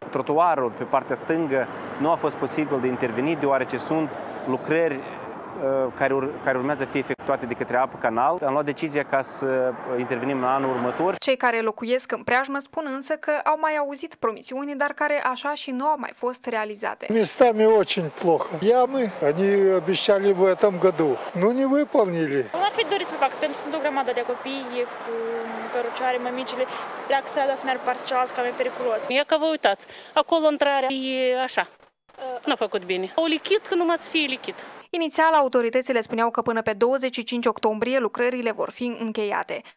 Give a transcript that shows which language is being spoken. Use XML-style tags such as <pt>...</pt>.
<ro>Trotuarul pe partea stângă nu a fost posibil de intervenit, deoarece sunt lucrări care urmează să fie efectuate de către Apa Canal. Am luat decizia ca să intervenim în anul următor. Cei care locuiesc în preajmă spun însă că au mai auzit promisiuni, dar care așa și nu au mai fost realizate.</ro> <ru>Местами очень плохо. Ямы они обещали в этом году, но не выполнили.</ru> <ro>Ar fi dorit să facă, pentru că sunt o grămadă de copii cu cărucioare, mămicile, să treacă strada, să meargă partea cealaltă, cam e periculos. E că vă uitați, acolo intrarea e așa. N-a făcut bine. Au lichid, că numai să fie lichid. Inițial, autoritățile spuneau că până pe 25 octombrie lucrările vor fi încheiate.</ro>